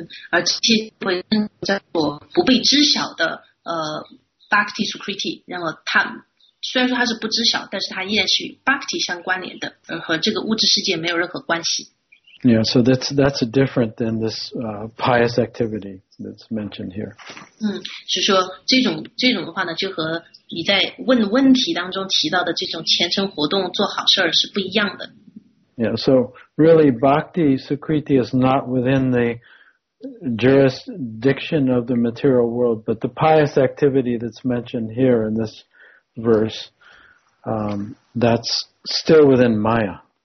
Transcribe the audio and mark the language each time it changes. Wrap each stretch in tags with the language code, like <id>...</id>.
<zh>而且不被知晓的 Bhakti Sukriti, 虽然说它是不知晓, 但是它依然是与Bhakti相关联的, 和这个物质世界没有任何关系。</zh> <en>Yeah, so that's different than this pious activity that's mentioned here.</en> <zh>是说这种的话呢, 就和你在问问题当中提到的这种虔诚活动做好事是不一样的。</zh> <en>Yeah, so really Bhakti Sukriti is not within the jurisdiction of the material world, but the pious activity that's mentioned here in this verse, that's still within Maya.</en>